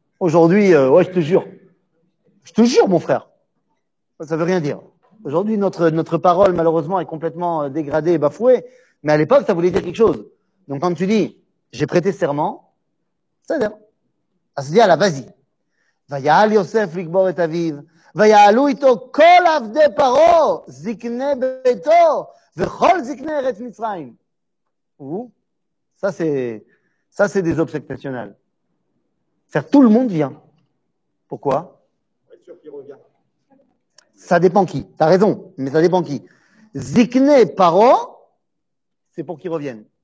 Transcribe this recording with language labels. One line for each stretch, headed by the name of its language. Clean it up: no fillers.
French: Aujourd'hui, ouais, je te jure. Je te jure, mon frère. Ça veut rien dire. Aujourd'hui, notre parole, malheureusement, est complètement dégradée et bafouée. Mais à l'époque, ça voulait dire quelque chose. Donc, quand tu dis, j'ai prêté serment, ça va. Ça se dit, là, vas-y.
Hebrew: Vayal Yosef, Likbor et Aviv. ויעלו איתו כל עבדי פרעה, זקני ביתו, וכל זקני ארץ מצרים.
French: הוא, ça c'est des obsèques nationales. C'est-à-dire, tout le monde vient. Pourquoi ? Ça dépend qui. T'as raison, mais ça dépend qui. Zikne paro, c'est pour qu'ils reviennent.